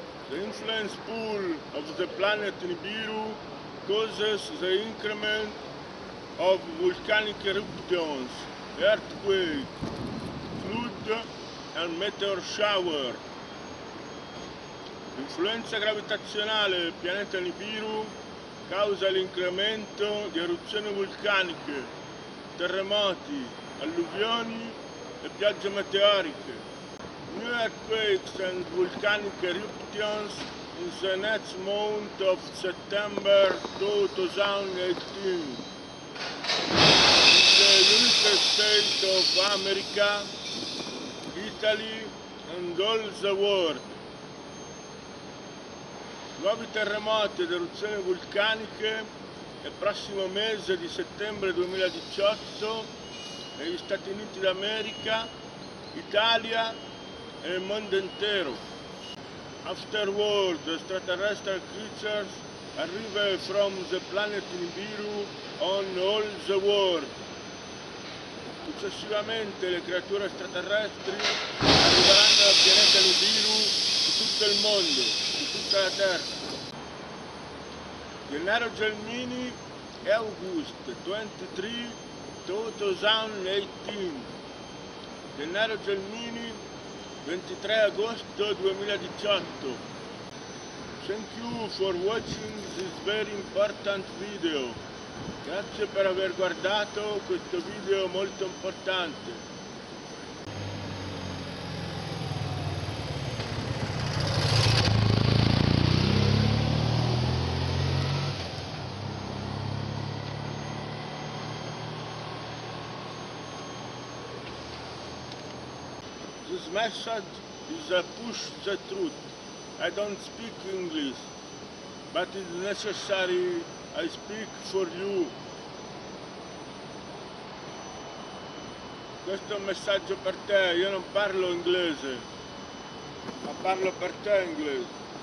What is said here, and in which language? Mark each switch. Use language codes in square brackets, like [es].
[en] The influence pool of the planet Nibiru causes the increment of volcanic eruptions, earthquake, flood and meteor shower. [it] L'influenza gravitazionale del pianeta Nibiru causa l'incremento di eruzioni vulcaniche, terremoti, alluvioni e piogge meteoriche. [en] New earthquakes and volcanic eruptions in the next month of September 2018. In the United States of America, Italy and all the world. [it] Nuovi terremoti ed eruzioni vulcaniche nel prossimo mese di settembre 2018 negli Stati Uniti d'America, Italia e il mondo intero. [en] Afterworld extraterrestrial creatures arrive from the planet Nibiru on all the world. [it] Successivamente le creature extraterrestri arriveranno al pianeta Nibiru di tutto il mondo, di tutta la Terra. [en] Gennaro Gelmini e August 23, 2018. [it] Gennaro Gelmini 23 agosto 2018. [en] Thank you for watching this very important video. [it] Grazie per aver guardato questo video molto importante. [en] This message is a push the truth. I don't speak English, but it's necessary I speak for you. [it] Questo è un messaggio per te, io non parlo inglese, ma parlo per te inglese.